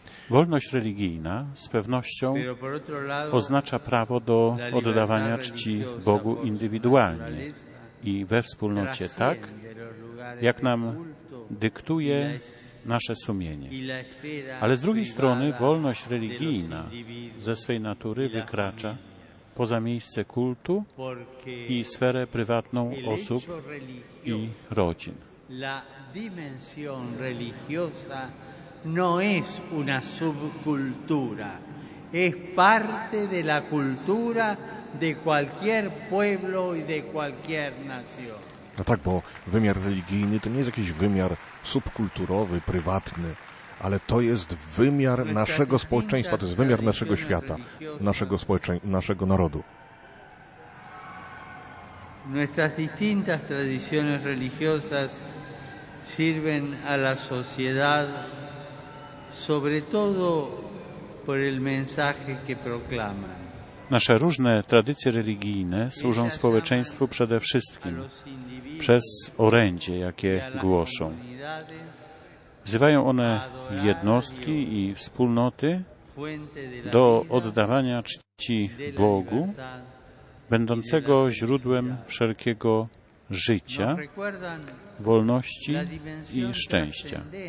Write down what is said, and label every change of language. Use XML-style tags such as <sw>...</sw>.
<pl>Wolność religijna z pewnością oznacza prawo do oddawania czci Bogu indywidualnie i we wspólnocie tak, jak nam dyktuje nasze sumienie. Ale z drugiej strony wolność religijna ze swej natury wykracza poza miejsce kultu i sferę prywatną osób i rodzin.</pl> <es>La dimensión religiosa no es una subcultura, es parte de la cultura de cualquier pueblo y de cualquier nación.</es> <pl>No tak, bo wymiar religijny to nie jest jakiś wymiar subkulturowy, prywatny, ale to jest wymiar naszego społeczeństwa, to jest wymiar naszego świata, naszego społeczeństwa, naszego narodu.</pl> <es>Nuestras distintas tradiciones religiosas sirven a la sociedad sobre todo por el mensaje que proclaman.</es> <pl>Nasze różne tradycje religijne służą społeczeństwu przede wszystkim przez orędzie, jakie głoszą. Wzywają one jednostki i wspólnoty do oddawania czci Bogu, będącego źródłem wszelkiego życia, wolności i szczęścia.</pl>